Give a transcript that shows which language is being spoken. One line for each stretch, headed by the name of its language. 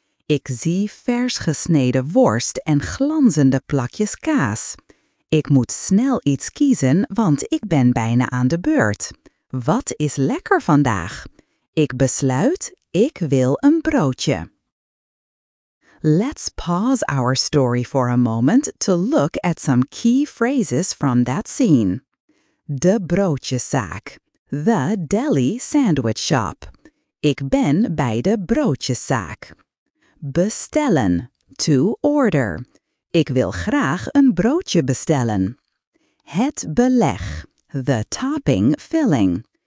Dutch: Ik zie vers gesneden worst en glanzende plakjes kaas. Ik moet snel iets kiezen, want ik ben bijna aan de beurt. Wat is lekker vandaag? Ik besluit, ik wil een broodje.
English: Let's pause our story for a moment to look at some key phrases from that scene. De broodjeszaak. The deli sandwich shop.
Dutch: Ik ben bij de broodjeszaak. Bestellen. To order. Ik wil graag een broodje bestellen.
English: Het beleg. The topping filling.